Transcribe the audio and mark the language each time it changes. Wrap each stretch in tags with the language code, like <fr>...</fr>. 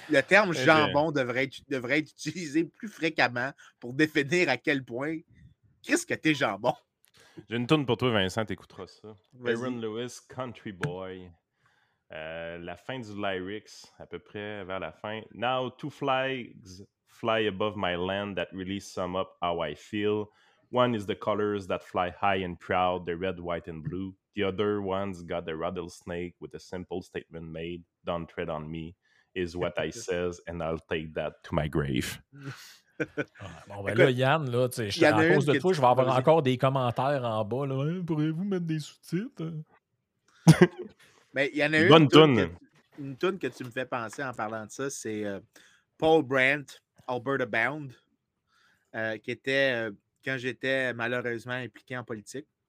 <fr>Le terme jambon devrait être utilisé plus fréquemment pour définir à quel point qu'est-ce que t'es jambon? J'ai une toune pour toi, Vincent, t'écouteras ça. Vas-y. Aaron Lewis, Country Boy. La fin du lyrics, à peu près vers la fin.</fr> <en>Now two flags fly above my land that really sum up how I feel. One is the colors that fly high and proud, the red, white, and blue. The other one's got the rattlesnake with a simple statement made, don't tread on me, is what I says, and I'll take that to my grave.</en> <fr>Bon, ben écoute, là, Yann, là, tu sais, à cause de toi, je vais avoir encore des commentaires en bas. Là. Pourriez-vous mettre des sous-titres? Mais il y en a une toune. Une toune que tu me fais penser en parlant de ça, c'est Paul Brandt, Alberta Bound, qui était quand j'étais malheureusement impliqué en politique.</fr>